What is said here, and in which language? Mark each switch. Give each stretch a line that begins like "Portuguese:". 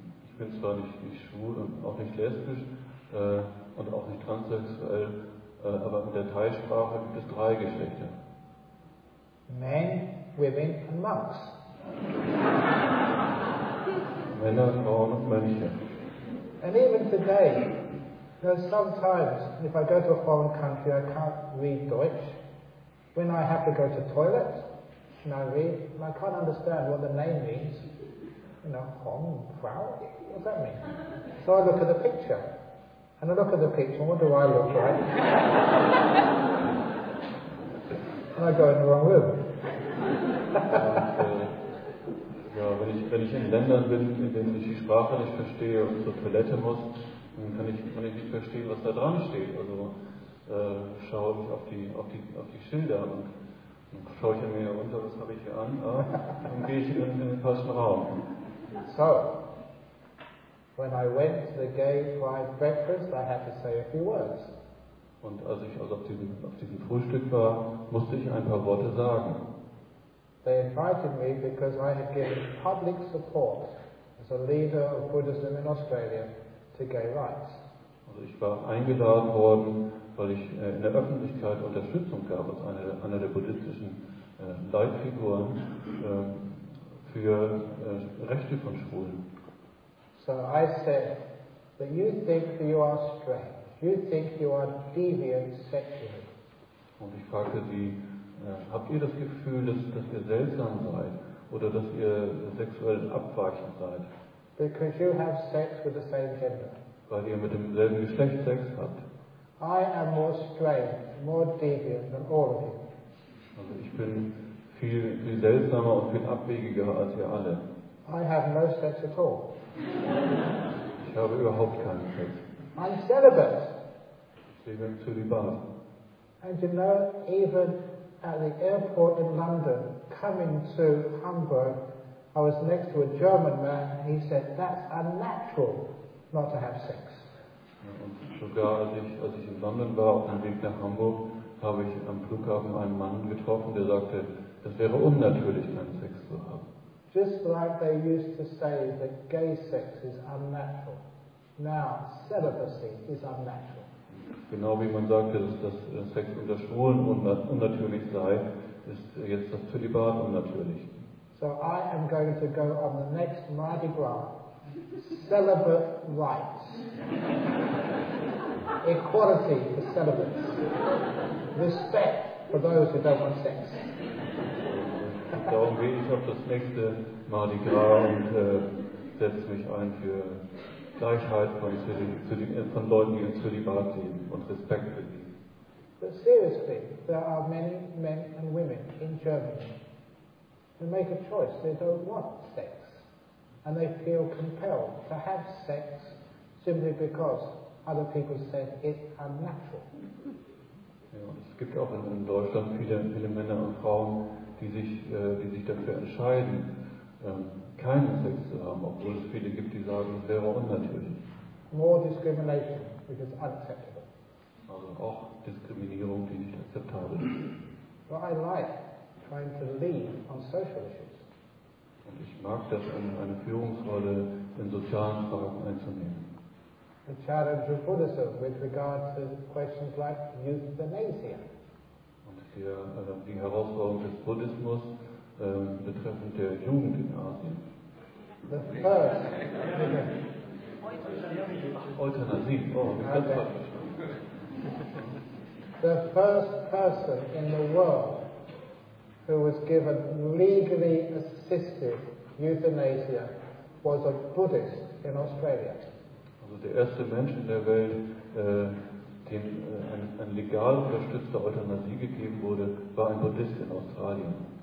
German: Ich bin zwar nicht schwul und auch nicht lesbisch und auch nicht transsexuell, aber in der Thai-Sprache gibt es drei Geschlechter:
English: Men, women and monks.
German: Männer, Frauen und Mönche.
English: And even today, sometimes, if I go to a foreign country, I can't read Deutsch. When I have to go to the toilet, and I read, and I can't understand what the name means. Hom, Frau, what does that mean? So I look at the picture. And I look at the picture, and what do I look like? And I go in the wrong room.
German: Wenn ich in Ländern bin, in denen ich die Sprache nicht verstehe und zur Toilette muss, dann kann ich nicht verstehen, was da dran steht. Also schaue ich auf die Schilder und schaue ich mir unter, was habe ich hier an, und gehe ich in den falschen Raum.
English: So, when I went to the gay pride breakfast, I had to say a few words.
German: Und als ich also auf diesem Frühstück war, musste ich ein paar Worte sagen.
English: They invited me because I had given public support as a leader of Buddhism in Australia to gay rights.
German: Also ich war eingeladen worden, weil ich in der Öffentlichkeit Unterstützung gab als einer der buddhistischen Leitfiguren für Rechte von Schwulen.
English: So I said, but you think that you are strange. You think you are deviant sexually.
German: Und ich fragte sie, habt ihr das Gefühl, dass ihr seltsam seid oder dass ihr sexuell abweichend seid?
English: Because you have sex with the same gender.
German: Weil ihr mit demselben Geschlecht Sex habt.
English: I am more strange, more deviant than all of you.
German: Also ich bin viel, viel seltsamer und viel abwegiger als ihr alle.
English: I have no sex at all.
German: Ich habe überhaupt keinen Sex.
English: I'm celibate.
German: Ich lebe im Zölibat.
English: And you know, even at the airport in London, coming to Hamburg, I was next to a German man, and he said, that's unnatural not to have sex.
German: Und sogar als ich in London war, auf dem Weg nach Hamburg, habe ich am Flughafen einen Mann getroffen, der sagte, das wäre unnatürlich, keinen Sex zu haben.
English: Just like they used to say that gay sex is unnatural. Now, celibacy is unnatural.
German: Genau wie man sagte, dass Sex unter Schwulen unnatürlich sei, ist jetzt das Zölibat unnatürlich.
English: So I am going to go on the next Mardi Gras. Celibate rights. Equality for celibates. Respect for those who don't want sex.
German: Darum gehe ich auf das nächste Mardi Gras und setze mich ein für Gleichheit von Leuten, die im Zölibat leben und Respekt für sie.
English: But seriously, there are many men and women in Germany who make a choice. They don't want sex. And they feel compelled to have sex simply because other people say it's unnatural.
German: Ja, es gibt auch in Deutschland viele Männer und Frauen, die sich dafür entscheiden, keinen Sex zu haben, obwohl es viele gibt, die sagen, es wäre unnatürlich.
English: More discrimination, which is unacceptable.
German: Also auch Diskriminierung, die nicht akzeptabel ist.
English: But I like trying to lead on social issues.
German: Und ich mag das, eine Führungsrolle in sozialen Fragen einzunehmen.
English: The challenge of Buddhism with regard to questions like euthanasia.
German: Und hier die Herausforderung des Buddhismus betreffend der Jugend in Asien.
English: The first.
German: Euthanasie. Oh,
English: the first person in the world who was given legally assisted euthanasia was a Buddhist in Australia.
German: Also der erste Mensch in der Welt, dem ein legal unterstützter Euthanasie gegeben wurde, war ein Buddhist in Australien.